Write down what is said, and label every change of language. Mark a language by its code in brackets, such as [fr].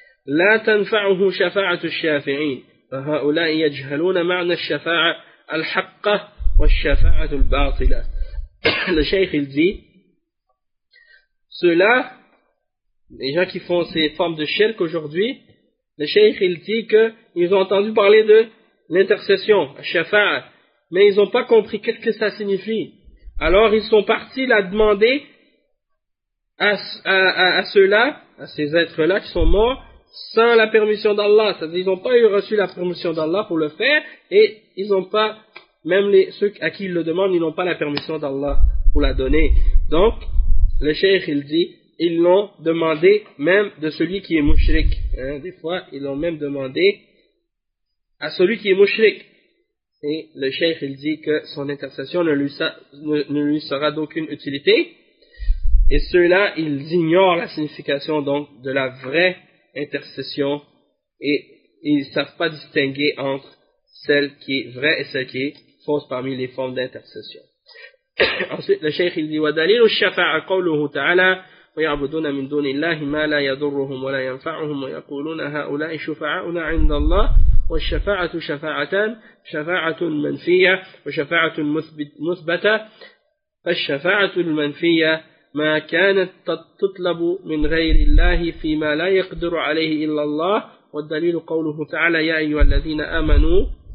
[ar] لا تنفعه شفاعة الشافعين فهؤلاء يجهلون معنى الشفاعة الحقة والشفاعة الباطلة. [fr] Le cheikh il dit, ceux-là, les gens qui font ces formes de shirk aujourd'hui, le cheikh il dit qu'ils ont entendu parler de l'intercession, shafa'a, mais ils n'ont pas compris qu'est-ce que ça signifie. Alors ils sont partis la demander à ceux-là, à ces êtres-là qui sont morts, sans la permission d'Allah, c'est-à-dire ils n'ont pas eu reçu la permission d'Allah pour le faire, et ils n'ont pas, même les ceux à qui ils le demandent, ils n'ont pas la permission d'Allah pour la donner. Donc, le cheikh il dit, ils l'ont demandé même de celui qui est mushrik. Hein, des fois, ils l'ont même demandé à celui qui est mushrik. Et le cheikh, il dit que son intercession ne lui sera d'aucune utilité. Et ceux-là, ils ignorent la signification donc de la vraie intercession et ils ne savent pas distinguer entre celle qui est vraie et celle qui est fausse parmi les formes d'intercession. Ensuite, le cheikh, il dit [ar] « وَدَلِيلُ الشَّفَعَ قَوْلُهُ تَعَالَى وَيَعْبُدُونَ مِنْ دُونِ اللَّهِ مَا لَا يَضُرُّهُمْ وَلَا يَنْفَعُهُمْ وَيَقُولُونَ هَؤُلَاءِ شُفَعَاؤُنَا عِنْدَ اللَّهِ والشفاعة شفاعتان شفاعة منفية وشفاعة مثبتة فالشفاعة المنفية ما كانت تطلب من غير الله فيما لا يقدر عليه إلا الله والدليل قوله تعالى يا أيها الذين آمنوا